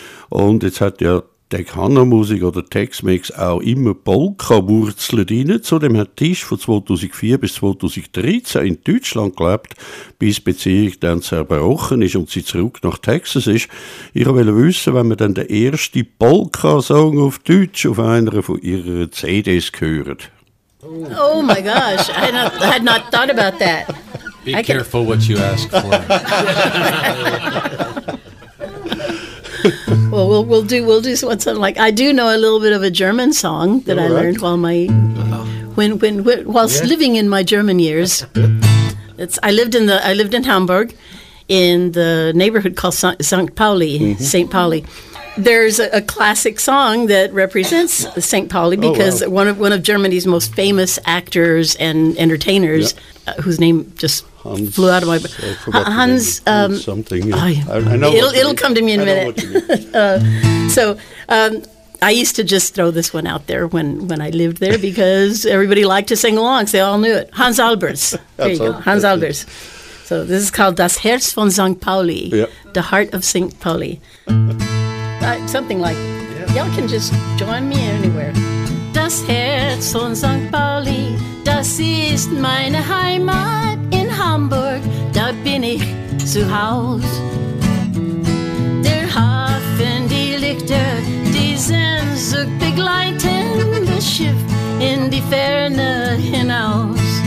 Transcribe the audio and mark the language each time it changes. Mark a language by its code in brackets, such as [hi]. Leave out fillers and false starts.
[de] Und jetzt hat ja Tejano-Musik oder Tex-Mex auch immer Polka-Wurzeln drin. Zudem hat Tisch von 2004 bis 2013 in Deutschland gelebt, bis die Beziehung dann zerbrochen ist und sie zurück nach Texas ist. Ich wollte wissen, wenn man dann den ersten Polka-Song auf Deutsch auf einer von ihren CDs hört. [en] Oh my gosh, I had not thought about that. Be careful what you ask for. Well, we'll do something like, I do know a little bit of a German song that I learned while my living in my German years. I lived in Hamburg in the neighborhood called St. Pauli. There's a classic song that represents St. Pauli because one of Germany's most famous actors and entertainers, whose name just Hans, flew out of my Hans something. It'll come to me in a minute. I used to just throw this one out there when I lived there because everybody liked to sing along. So they all knew it. Hans Albers. There you go, Hans Albers. So this is called Das Herz von St. Pauli, The Heart of St. Pauli. Something like it. Y'all can just join me anywhere. [de] Das Herz von St. Pauli, das ist meine Heimat in Hamburg, da bin ich zu Hause. Der Hafen, die Lichter, die Sehnsucht begleiten das Schiff in die Ferne hinaus.